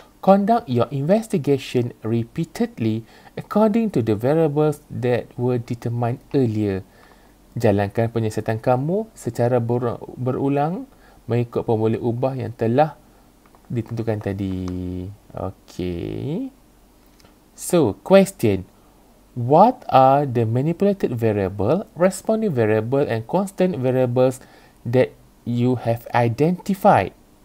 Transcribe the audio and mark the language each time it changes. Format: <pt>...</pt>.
<en>Conduct your investigation repeatedly according to the variables that were determined earlier.</en> <ms>Jalankan penyiasatan kamu secara berulang mengikut pemboleh ubah yang telah ditentukan tadi.</ms> <en>Okay. So, question. What are the manipulated variable, responding variable and constant variables that you have identified?</en>